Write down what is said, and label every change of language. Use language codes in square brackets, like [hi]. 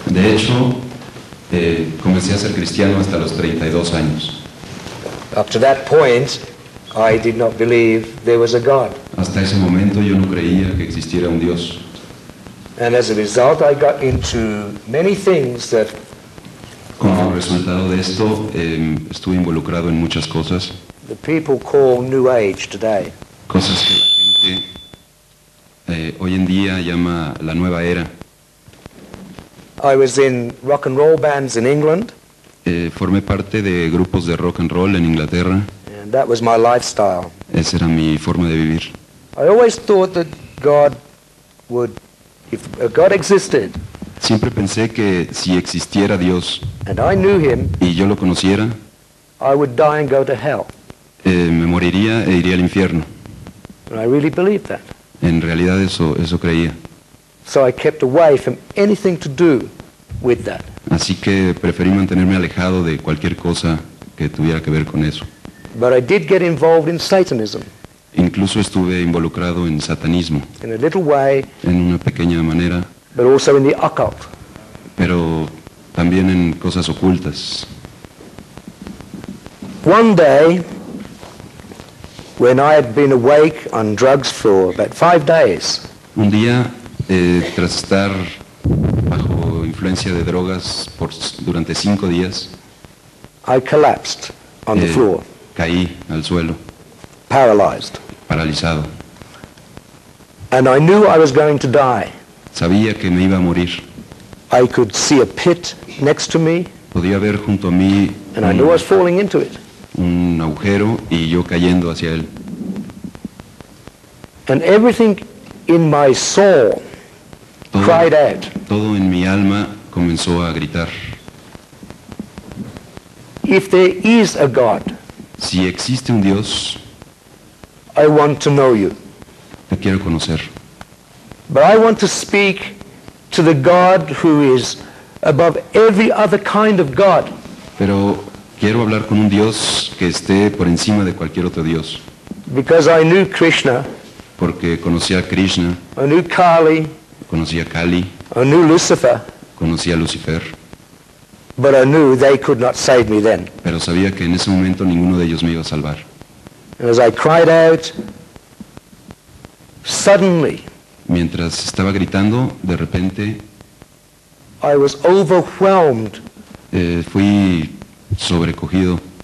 [es] De hecho, comencé a ser cristiano hasta los 32 años. [en] Up to that point, I did not believe there was a God. [es] Hasta ese momento yo no creía que existiera un Dios. [en] And as a result, I got into many things that. [es] Como resultado de esto, estuve involucrado en muchas cosas. [en] The people call New Age today. [es] Cosas que la gente hoy en día llama la nueva era. [en] I was in rock and roll bands in England. [es] Formé parte de grupos de rock and roll en Inglaterra. [en] And that was my lifestyle. [es] Esa era mi forma de vivir. [en] I always thought that God would, if God existed. [es] Siempre pensé que si existiera Dios. [en] And I knew him. [es] Y yo lo conociera. [en] I would die and go to hell. [es] Me moriría e iría al infierno. [en] And I really believed that. [es] En realidad eso creía. [en] So I kept away from anything to do with that. [es] Así que preferí mantenerme alejado de cualquier cosa que tuviera que ver con eso. [en] But I did get involved in Satanism. [es] Incluso estuve involucrado en satanismo. [en] In a little way. [es] En una pequeña manera. [en] But also in the occult. [es] Pero también en cosas ocultas. [en] One day, when I had been awake on drugs for about 5 days. [es] Un día, tras estar bajo influencia de drogas durante 5 días. [en] I collapsed on the floor. [es] Caí al suelo. [en] Paralyzed. [es] Paralizado. [en] And I knew I was going to die. [es] Sabía que me iba a morir. [en] I could see a pit next to me. [es] Podía ver junto a mí. [en] And I knew I was falling into it. [es] Un agujero y yo cayendo hacia él. [en] And everything in my soul cried out. [es] Todo en mi alma comenzó a gritar. [en] If there is a God. [es] Si existe un Dios, [en] I want to know you. [es] Te quiero conocer. [en] But I want to speak to the God who is above every other kind of God. [es] Pero quiero hablar con un Dios que esté por encima de cualquier otro Dios. [en] Because I knew Krishna. [es] Porque conocí a Krishna. [en] I knew Kali. [es] Conocí a Kali. [en] I knew Lucifer. [es] Conocí a Lucifer. [en] But I knew they could not save me then. [es] Pero sabía que en ese momento ninguno de ellos me iba a salvar. [en] And as I cried out, suddenly, [es] mientras estaba gritando, de repente, [en] I was overwhelmed. [es] Fui sobrecogido.